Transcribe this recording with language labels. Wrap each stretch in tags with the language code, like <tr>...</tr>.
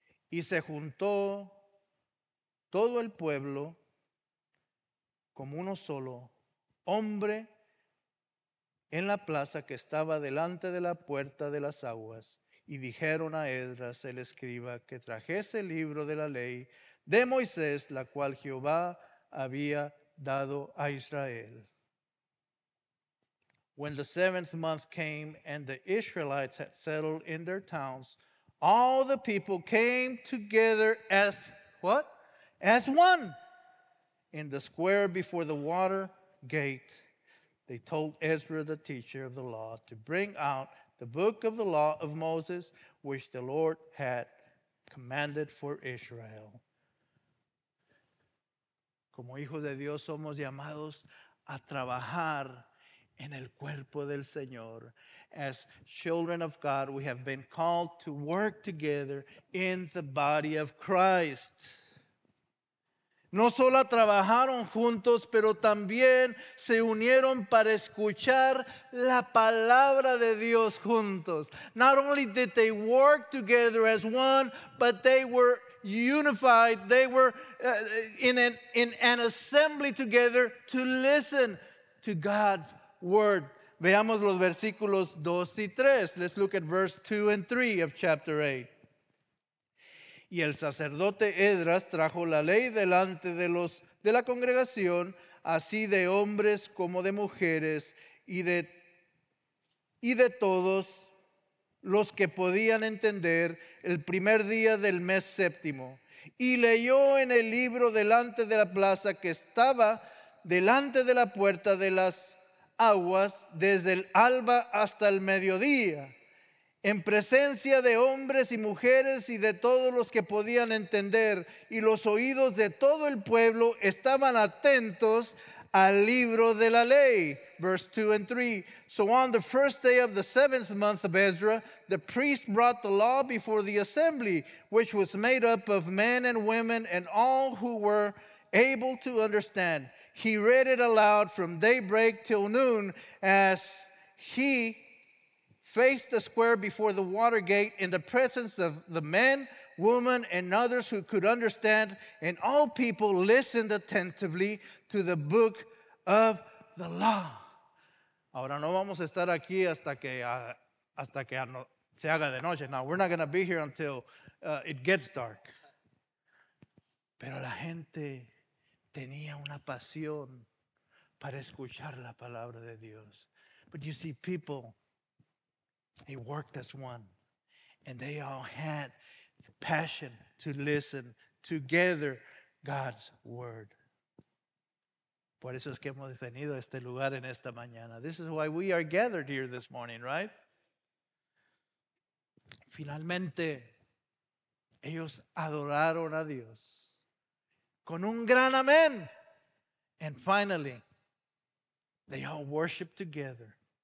<es>Y se juntó todo el pueblo como uno solo, hombre en la plaza que estaba delante de la puerta de las aguas. Y dijeron a Esdras, el escriba, que trajese el libro de la ley de Moisés, la cual Jehová había dado a Israel.</es> <en>When the seventh month came and the Israelites had settled in their towns, all the people came together as what? As one in the square before the water gate. They told Ezra, the teacher of the law, to bring out the book of the law of Moses, which the Lord had commanded for Israel.</en> <es>Como hijos de Dios somos llamados a trabajar en el cuerpo del Señor.</es> <en>As children of God, we have been called to work together in the body of Christ.</en> <es>No solo trabajaron juntos, pero también se unieron para escuchar la palabra de Dios juntos.</es> <en>Not only did they work together as one, but they were unified. They were in an assembly together to listen to God's word.</en> <es>Veamos los versículos 2 y 3.</es> <en>Let's look at verse 2 and 3 of chapter 8.</en> <es>Y el sacerdote Esdras trajo la ley delante de la congregación, así de hombres como de mujeres y de todos los que podían entender, el primer día del mes séptimo. Y leyó en el libro delante de la plaza que estaba delante de la puerta de las aguas desde el alba hasta el mediodía, en presencia de hombres y mujeres y de todos los que podían entender, y los oídos de todo el pueblo estaban atentos al libro de la ley.</es> <en>Verse 2 and 3. So on the first day of the seventh month of Ezra, the priest brought the law before the assembly, which was made up of men and women and all who were able to understand. He read it aloud from daybreak till noon as he faced the square before the water gate in the presence of the men, women, and others who could understand, and all people listened attentively to the book of the law.</en> <es>Ahora no vamos a estar aquí hasta que se haga de noche.</es> <en>Now we're not going to be here until it gets dark.</en> <es>Pero la gente tenía una pasión para escuchar la palabra de Dios.</es> <en>But you see, people, they worked as one. And they all had the passion to listen together God's word.</en> <es>Por eso es que hemos venido a este lugar en esta mañana.</es> <en>This is why we are gathered here this morning, right?</en> <es>Finalmente, ellos adoraron a Dios. Con un gran amén.</es> <en>And finally, they all worshiped together.</en>